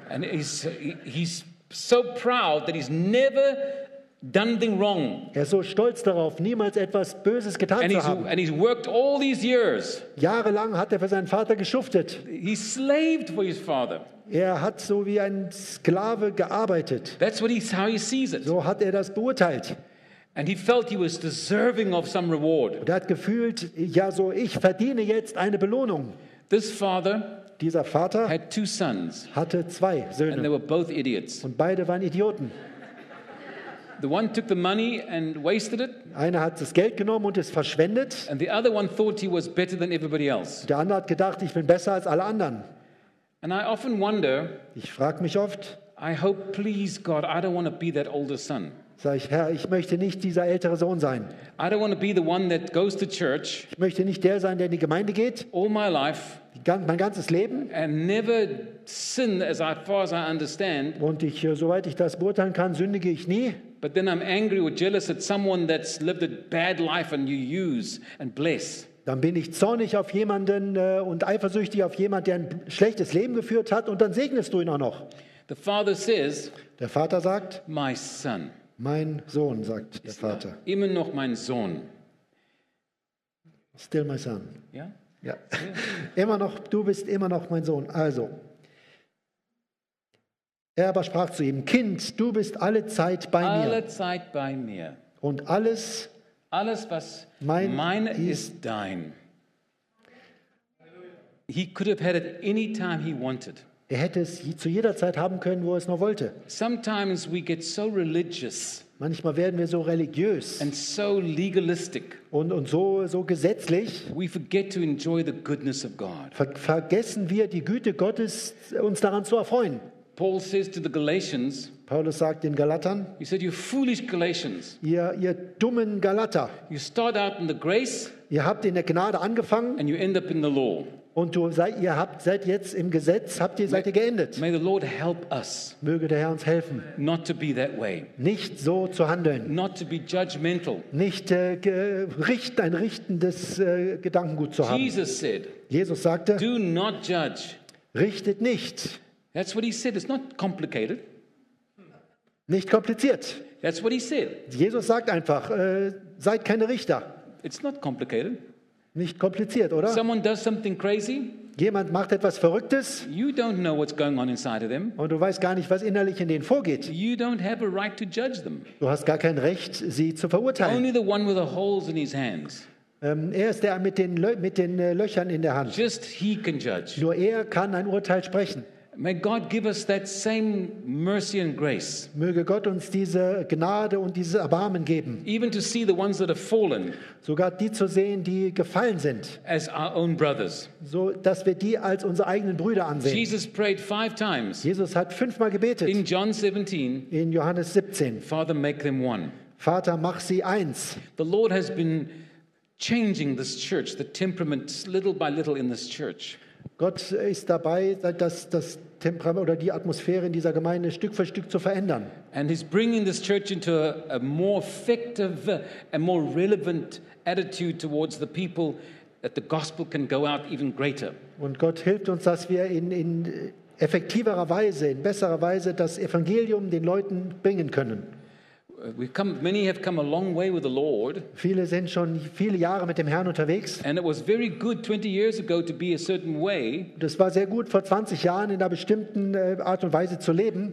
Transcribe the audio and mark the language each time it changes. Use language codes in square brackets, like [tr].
[en] And he's so proud that he's never done thing wrong. [de] Er ist so stolz darauf, niemals etwas Böses getan [en] and [de] zu haben. [en] And he's worked all these years. [de] Jahrelang hat er für seinen Vater geschuftet. [en] He slaved for his father. [de] Er hat so wie ein Sklave gearbeitet. [en] That's what how he sees it. [de] So hat er das beurteilt. [en] And he felt he was deserving of some reward. [de] Und er hat gefühlt, ja so, ich verdiene jetzt eine Belohnung. [en] This father, [de] dieser Vater, [en] had two sons, [de] hatte zwei Söhne. [en] And they were both idiots. [de] Und beide waren Idioten. [en] The one took the money and wasted it. [de] Einer hat das Geld genommen und es verschwendet. [en] And the other one thought he was better than everybody else. [de] Der andere hat gedacht, ich bin besser als alle anderen. [en] And I often wonder. [de] Ich frage mich oft. [en] I hope, please God, I don't want to be that older son. [de] Sag ich, Herr, ich möchte nicht dieser ältere Sohn sein. [en] I don't want to be the one that goes to church. [de] Ich möchte nicht der sein, der in die Gemeinde geht. [en] All my life. [de] Mein ganzes Leben. [en] And never sin, as far as I understand. [de] Und ich, soweit ich das beurteilen kann, sündige ich nie. [en] But then I'm angry or jealous at someone that's lived a bad life and you use and bless. [de] Dann bin ich zornig auf jemanden und eifersüchtig auf jemanden, der ein schlechtes Leben geführt hat und dann segnest du ihn auch noch. [en] The father says, [de] der Vater sagt, [en] my son. [de] Mein Sohn, sagt der Vater. Immer noch mein Sohn. [en] Still my son. [de] Ja? Ja. Immer noch, du bist immer noch mein Sohn. Also. Er aber sprach zu ihm, Kind, du bist alle Zeit bei mir. Alle Zeit bei mir. Und alles, was mein ist dein. [en] He could have had it any time he wanted. [de] Er hätte es zu jeder Zeit haben können, wo er es nur wollte. [en] Sometimes we get so religious. [de] Manchmal werden wir so religiös. [en] And so legalistic. [de] Und so gesetzlich. [en] We forget to enjoy the goodness of God. [de] Vergessen wir die Güte Gottes, uns daran zu erfreuen. [en] Paul says to the Galatians, [de] Paulus sagt den Galatern, [en] he said, you foolish Galatians. [de] Ihr dummen Galater. [en] You start out in the grace, [de] ihr habt in der Gnade angefangen. [en] And you end up in the law. [de] Und seid jetzt im Gesetz, seid ihr geendet. [en] May the Lord help us. [de] Möge der Herr uns helfen. [en] Not to be that way. [de] Nicht so zu handeln. [en] Not to be judgmental. [de] Nicht ein richtendes Gedankengut zu haben. [en] Jesus said, [de] Jesus sagte, [en] do not judge. [de] Richtet nicht. [en] That's what he said. It's not complicated. [de] Nicht kompliziert. [en] That's what he said. [de] Jesus sagt einfach, seid keine Richter. [en] It's not complicated. [de] Nicht kompliziert, oder? [en] Someone does something crazy. [de] Jemand macht etwas Verrücktes. [en] You don't know what's going on inside of them. [de] Und du weißt gar nicht, was innerlich in denen vorgeht. [en] You don't have a right to judge them. [de] Du hast gar kein Recht, sie zu verurteilen. [en] Only the one with the holes in his hands. [de] Er ist der mit den Löchern in der Hand. [en] Just he can judge. [de] Nur er kann ein Urteil sprechen. [en] May God give us that same mercy and grace. [de] Möge Gott uns diese Gnade und dieses Erbarmen geben. [en] Even to see the ones that have fallen. [de] Sogar die zu sehen, die gefallen sind. [en] As our own brothers. [de] So, dass wir die als unsere eigenen Brüder ansehen. [en] Jesus prayed 5 times. [de] Jesus hat 5-mal gebetet. [en] In John 17. [de] In Johannes 17. [en] Father, make them one. [de] Vater, mach sie eins. [en] The Lord has been changing this church, the temperament, little by little in this church. [de] Gott ist dabei, das Temperament oder die Atmosphäre in dieser Gemeinde Stück für Stück zu verändern. [en] And he's bringing this church into a more effective and more relevant attitude towards the people that the gospel can go out even greater. [de] Und Gott hilft uns, dass wir in effektiverer Weise, in besserer Weise das Evangelium den Leuten bringen können. [en] Many have come a long way with the Lord. [de] Viele sind schon viele Jahre mit dem Herrn unterwegs. [en] And it was very good 20 years ago to be a certain way. [de] Das war sehr gut vor 20 Jahren in einer bestimmten Art und Weise zu leben.